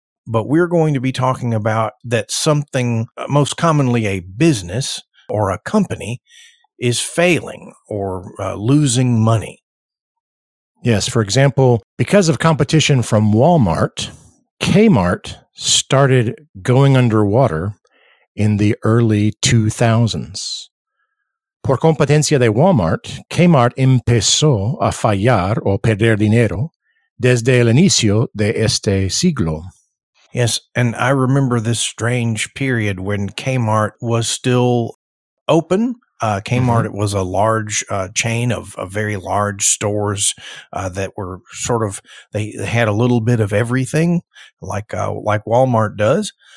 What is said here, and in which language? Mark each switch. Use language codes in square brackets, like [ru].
[en] But we're going to be talking about that something, most commonly a business or a company, is failing or losing money. Yes, for example, because of competition from Walmart, Kmart started going underwater in the early 2000s. [es] Por competencia de Walmart, Kmart empezó a fallar o perder dinero desde el inicio de este siglo. [en] Yes, and I remember this strange period when Kmart was still open. Kmart was a large chain of very large stores that were sort of, they had a little bit of everything, like Walmart does.